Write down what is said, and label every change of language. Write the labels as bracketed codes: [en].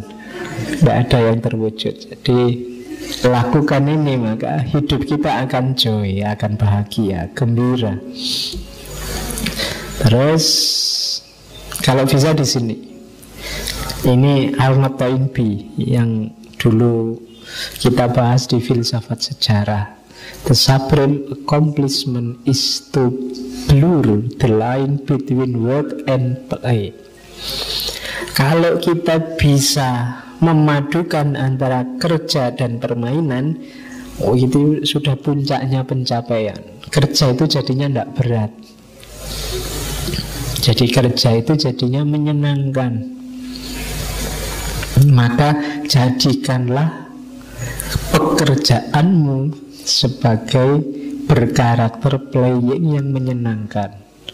[id] Tidak ada yang terwujud. Jadi lakukan ini maka hidup kita akan joy, akan bahagia, gembira. Terus kalau bisa di sini, ini Ahmad Toynbee yang dulu kita bahas di filsafat sejarah. [en] The supreme accomplishment is to blur the line between work and play. [id] Kalau kita bisa memadukan antara kerja dan permainan, oh itu sudah puncaknya pencapaian. Kerja itu jadinya tidak berat. Jadi kerja itu jadinya menyenangkan. Maka jadikanlah pekerjaanmu sebagai berkarakter playing yang menyenangkan.